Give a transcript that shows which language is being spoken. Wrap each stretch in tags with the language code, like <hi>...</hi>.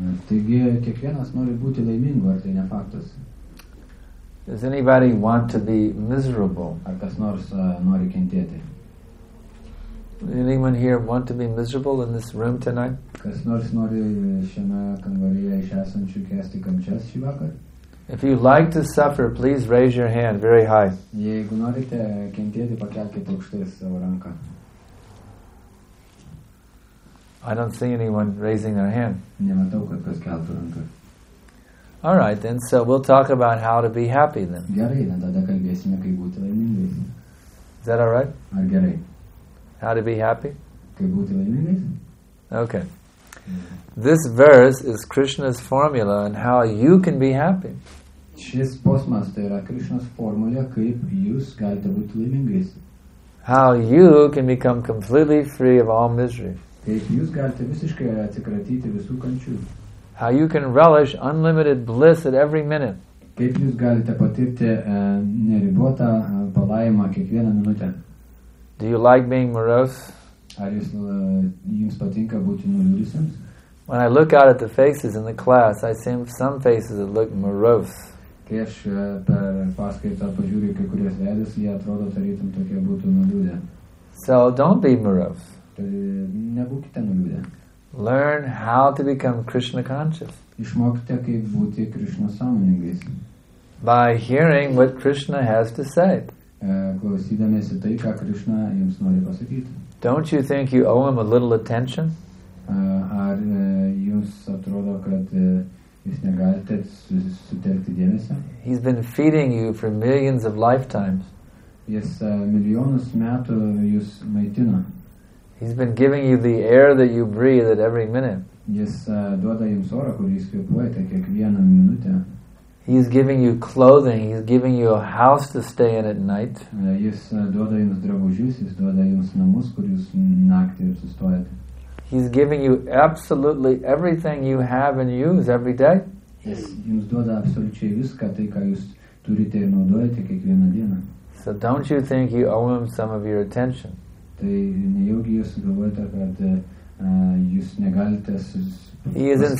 <lt>Taigi, kiekvienas nori būti laimingu, ar tai ne faktas?</lt> <en>Does anybody want to be miserable?</en> <lt>Ar kas nors nori kentėti?</lt> <en>Anyone here want to be miserable in this room tonight?</en> <lt>Kas nors nori šiame kambaryje iš esančių kęsti kančias šį vakar?</lt> <en>If you like to suffer, please raise your hand very high.</en> <lt>Jeigu norite kentėti, pakelkite aukštai savo ranką.</lt> <en>I don't see anyone raising their hand.</en> <lt>Nematau, kad kas keltų ranką.</lt> <en>All right, then, so we'll talk about how to be happy then.</en> <lt>Gerai, na, tada kalbėsime, kaip būti laimingais.</lt> <en>Is that all right?</en> <lt>Ar gerai?</lt> <en>How to be happy?</en> <lt>Kaip būti laimingais.</lt> <en>Okay. This verse is Krishna's formula on how you can be happy.</en> <lt>Šis posmas tai yra Krishna's formulė, kaip jūs galite būti laimingais.</lt> <en>How you can become completely free of all misery.</en> <lt>Kaip jūs galite visiškai atsikratyti visų kančių.</lt> <en>How you can relish unlimited bliss at every minute.</en> <lt>Kaip jūs galite patirti neribotą palaimą kiekvieną minutę?</lt> <en>Do you like being morose?</en> <lt>Ar jūs, jums patinka būti nuliūdusiems?</lt> <en>When I look out at the faces in the class, I see some faces that look morose.</en> <lt>Kai aš per paskaitą pažiūriu kai kurias veidus, jie atrodo tarytum tokie būtų nuliūdę.</lt> <en>So don't be morose.</en> <lt>Nebūkite nuliūdę.</lt> <en>Learn how to become Krishna conscious.</en> <lt>Išmokite kaip būti Krishna sąmoningais.</lt> <en>By hearing what Krishna has to say.</en> <lt>Klausydamiesi tai, ką Krishna jums nori pasakyti.</lt> <en>Don't you think you owe him a little attention?</en> <lt>Ar jums atrodo, kad jūs negalite sutelkti dėmesio?</lt> <en>He's been feeding you for millions of lifetimes.</en> <lt>Jis milijonus metų jūs maitino.</lt> <en>He's been giving you the air that you breathe at every minute.</en> <lt>Jis duoda jums orą, kurį jūs kvėpuojate kiekvieną minutę.</lt> <en>He's giving you clothing, he's giving you a house to stay in at night.</en> <lt>Jis duoda jums drabužius, jis duoda jums namus, kur jūs naktį apsistojate.</lt> <en>He's giving you absolutely everything you have and use every day.</en> <lt>Jis jums duoda absoliučiai viską, tai ką jūs turite ir naudojate kiekvieną dieną.</lt> <en>So don't you think you owe him some of your attention?</en> <lt>Tai nejaugi jūs galvojate, kad jūs negalite</lt>